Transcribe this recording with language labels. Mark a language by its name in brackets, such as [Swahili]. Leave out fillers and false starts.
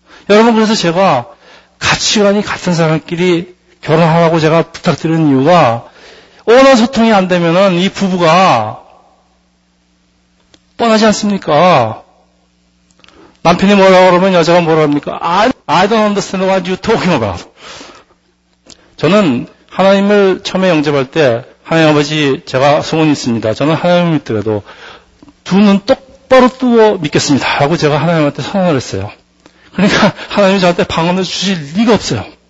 [Korean] 여러분, 그래서 제가 가치관이 같은 사람끼리 결혼하라고 제가 부탁드리는 이유가, 언어 소통이 안 되면은 이 부부가 뻔하지 않습니까? 남편이 뭐라고 그러면 여자가 뭐라고 합니까? [English] I don't understand what you're talking about. [Korean] 저는 하나님을 처음에 영접할 때, 하나님 아버지, 제가 소원이 있습니다. 저는 하나님을 믿더라도 두 눈 똑바로 뜨고 믿겠습니다 하고 제가 하나님한테 선언을 했어요. 그러니까 하나님이 저한테 방언을 주실 리가 없어요.